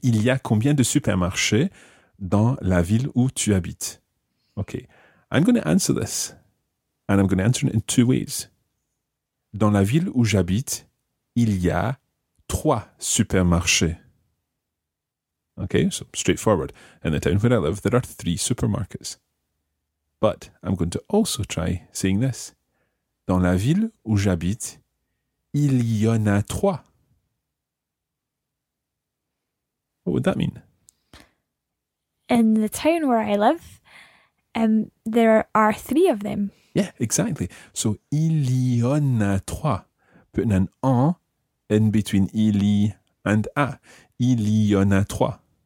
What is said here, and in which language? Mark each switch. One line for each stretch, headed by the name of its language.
French: Il y a combien de supermarchés dans la ville où tu habites?
English: Okay. I'm going to answer this. And I'm going to answer it in two ways.
French: Dans la ville où j'habite, il y a 3 supermarchés.
English: Okay. So straightforward. In the town where I live, there are 3 supermarkets. But I'm going to also try saying this.
French: Dans la ville où j'habite, il y en a 3.
English: What would that mean? In the town where I live, there are 3 of them. Yeah, exactly. So,
French: il y en a 3.
English: Putting an en in between
French: il y
English: and a.
French: Il y en a 3.